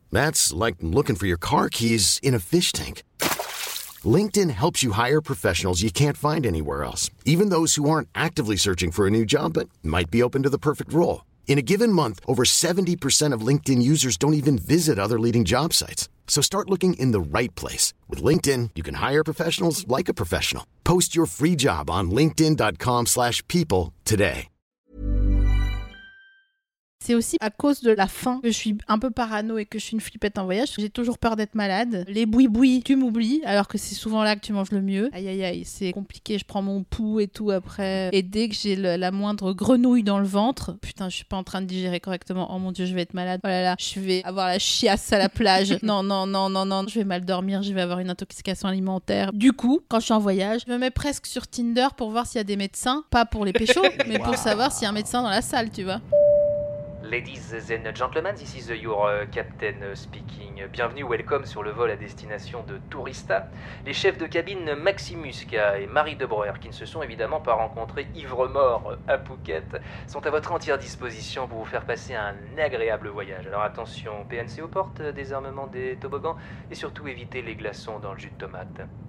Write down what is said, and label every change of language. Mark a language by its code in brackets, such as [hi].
[en] That's like looking for your car keys in a fish tank. LinkedIn helps you hire professionals you can't find anywhere else, even those who aren't actively searching for a new job but might be open to the perfect role. In a given month, over 70% of LinkedIn users don't even visit other leading job sites. So start looking in the right place. With LinkedIn, you can hire professionals like a professional. Post your free job on linkedin.com/people today. [fr] C'est aussi à cause de la faim que je suis un peu parano et que je suis une flippette en voyage. J'ai toujours peur d'être malade. Les boui-boui, tu m'oublies, alors que c'est souvent là que tu manges le mieux. Aïe, aïe, aïe, c'est compliqué, je prends mon pouls et tout après. Et dès que j'ai la moindre grenouille dans le ventre, putain, je suis pas en train de digérer correctement. Oh mon dieu, je vais être malade. Oh là là, je vais avoir la chiasse à la plage. Non. Je vais mal dormir, je vais avoir une intoxication alimentaire. Du coup, quand je suis en voyage, je me mets presque sur Tinder pour voir s'il y a des médecins. Pas pour les pécho, mais pour savoir s'il y a un médecin dans la salle, tu vois. [en] Ladies and gentlemen, this is your captain speaking. [fr] Bienvenue, welcome sur le vol à destination de Tourista. Les chefs de cabine Maximuska et Marie Debreuer, qui ne se sont évidemment pas rencontrés ivre-mort à Phuket, sont à votre entière disposition pour vous faire passer un agréable voyage. Alors attention, PNC aux portes, désarmement des toboggans, et surtout évitez les glaçons dans le jus de tomate.